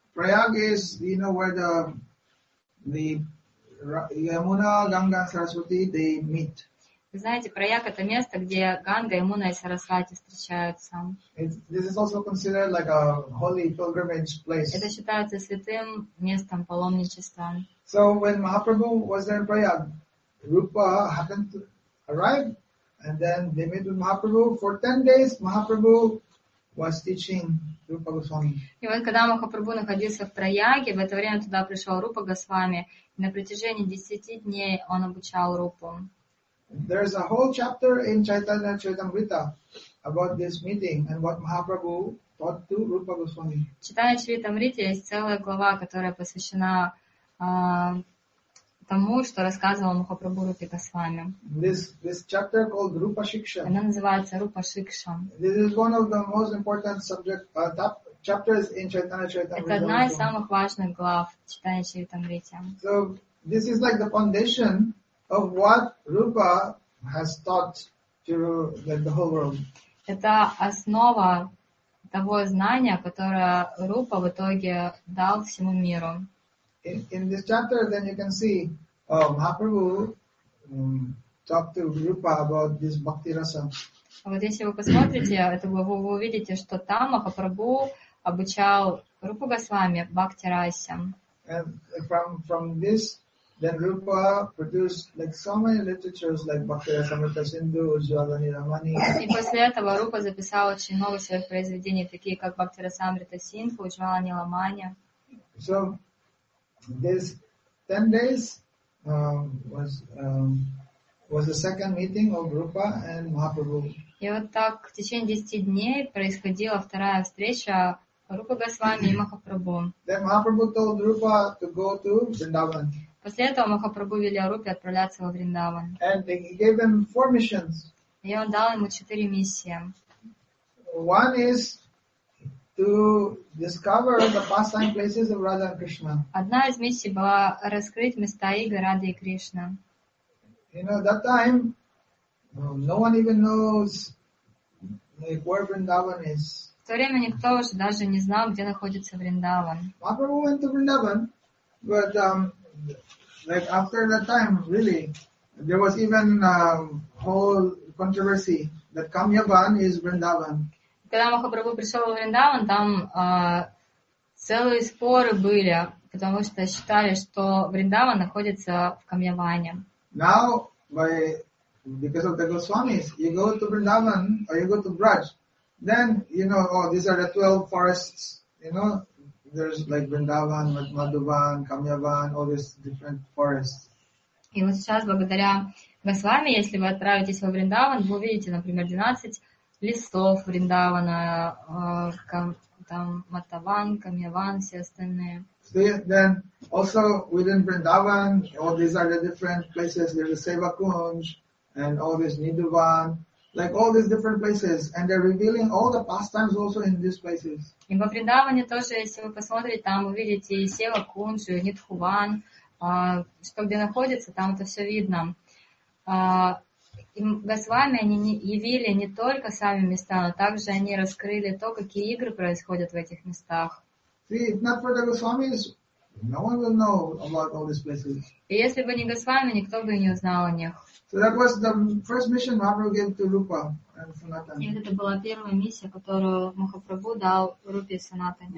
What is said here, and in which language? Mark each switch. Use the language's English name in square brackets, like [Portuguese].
[English] Prayag is, you know, where the Yamuna, Ganga, Saraswati, they meet. [Russian] Вы знаете, Прайаг — это место, где Ганга, Ямуна и Сарасвати встречаются. [English] This is also considered like a holy pilgrimage place. [Russian] Это считается святым местом паломничества. [English] So when Mahaprabhu was there in Prayag, Rupa happened to arrive, and then they met with Mahaprabhu. For 10 days, Mahaprabhu was teaching Rupa Goswami. [Russian] И вот когда Махапрабху находился в Прайаге, в это время туда пришел Рупа Госвами, и на протяжении 10 дней он обучал Рупу. [English] There is a whole chapter in Chaitanya Charitamrita about this meeting and what Mahaprabhu taught to Rupa Goswami. [Russian] В Chaitanya Charitamrita есть целая глава, которая посвящена тому, что рассказывал Махапрабху Рупе Госвами. [English] This chapter called Rupa Shiksha. [Russian] Она называется Rupa Shiksha. [English] This is one of the most important subject chapters in Chaitanya Charitamrita. [Russian] Это одна из самых важных глав Chaitanya Charitamrita. [English] So this is like the foundation of what Rupa has taught to the whole world. [Russian] Это основа того знания, которое Рупа в итоге дал всему миру. [English] In this chapter, then you can see Mahaprabhu talked to Rupa about this bhakti rasa. [Russian] Вот если вы посмотрите эту главу, вы увидите, что там Махапрабху обучал Рупу Госвами бхакти расе. [English] And from this, then Rupa produced like so many literatures like Bhakti Rasamrita Sindhu, Ujjwalani Ramani. [Russian] И после этого Рупа записал очень много своих произведений, такие как Бхакти Расамрита Синдху, Ujjwalani Ramani. [English] So this 10 days was the second meeting of Rupa and Mahaprabhu. [Russian] И вот так в течение 10 дней происходила вторая встреча Рупа Госвами и Махапрабху. [English] Then Mahaprabhu told Rupa to go to Vrindavan. [Russian] После этого Махапрабху велел Рупе отправляться во Вриндаван. [English] And he gave them 4 missions. [Russian] И он дал ему 4 миссии. [English] One is to discover the pastime places of Radha and Krishna. [Russian] Одна из миссий была раскрыть места игр Рады и Кришны. [English] You know, that time, no one even knows where Vrindavan is. [Russian] В то время никто уже даже не знал, где находится Вриндаван. [English] Махапрабху went to Vrindavan, but like after that time, really, There was even a whole controversy that Kamyavan is Vrindavan. [Russian] Когда Махапрабху пришел в Вриндаван, там целые споры были, потому что считали, что Вриндаван находится в Камьяване. [English] Now, because of the Goswamis, you go to Vrindavan or you go to Braj, then you know, oh, these are the 12 forests, you know, there's like Vrindavan, Madhuban, Kamyavan, all these different forests. [Russian] И вот сейчас, благодаря Госвами, если вы отправитесь во Вриндаван, вы увидите, например, 12 лесов Вриндавана, там Матаван, Камьяван, все остальные. [English] See, then also within Vrindavan, all these are the different places. There's a Seva Kunj and all this Niduvan, like all these different places, and they're revealing all the pastimes also in these places. [Russian] И во Вриндаване тоже, если вы посмотрите, там вы видите и Сева Кунж, и Нидхуван, что где находится, там это все видно. Госвами они явили не только сами места, но также они раскрыли то, какие игры происходят в этих местах. [English] See, if not for the Goswamis, no one will know about all these places. [Russian] И если бы не Госвами, никто бы не узнал о них. [English] So that was the first mission Mahaprabhu gave to Rupa and Sanatana. [Russian] И это была первая миссия, которую Махапрабху дал Рупе и Санатане.